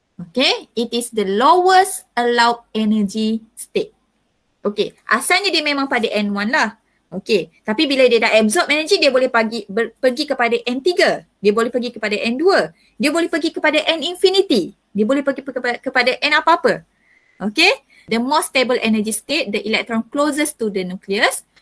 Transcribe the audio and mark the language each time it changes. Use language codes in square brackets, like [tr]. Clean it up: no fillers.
[en] Okay, it is the lowest allowed energy state. [ms] Okay, asalnya dia memang pada N1 lah. Okay, tapi bila dia dah absorb energy, dia boleh pergi kepada N3. Dia boleh pergi kepada N2. Dia boleh pergi kepada N infinity. Dia boleh pergi kepada N apa-apa. [en] Okay, the most stable energy state, the electron closest to the nucleus.